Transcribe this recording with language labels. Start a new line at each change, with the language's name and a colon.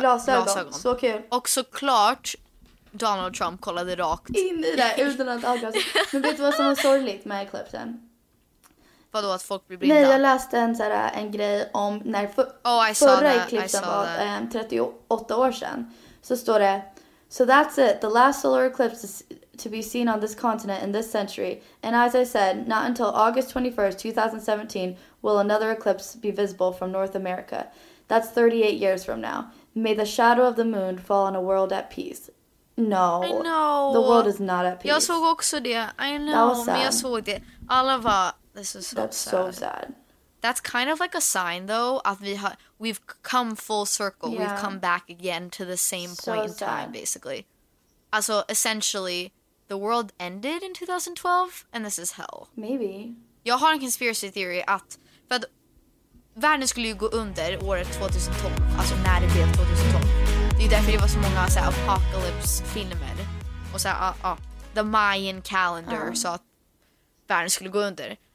Swedish: glasögon. Så kul. Och såklart Donald Trump kollade rakt in i det utan att avgås. Men vet du vad som var sorgligt med eclipsen? Vadå, att folk blir blinda? Nej, jag läste en grej om när förra eclipsen var 38 år sedan. Så står det,
English: so that's it, the last solar eclipse to be seen on this continent in this century. And as I said, not until August 21st, 2017 will another eclipse be visible from North America. That's 38 years from now. May the shadow of the moon fall on a world at peace. No, I know. The world is not at peace.
Swedish: Jag såg också det,
English: I know,
Swedish: men jag såg det. Alla var...
English: That's so sad. That's kind of like a sign though of we've come full circle. Yeah. We've come back again to the same point in time basically. Also, essentially the world ended in 2012 and this is hell. Maybe.
Swedish: Jag har en conspiracy theory att för att världen skulle ju gå under året 2012. Alltså när det blev 2012. Det är därför det var så många så apocalypse filmer och så the Mayan calendar så att världen skulle gå under.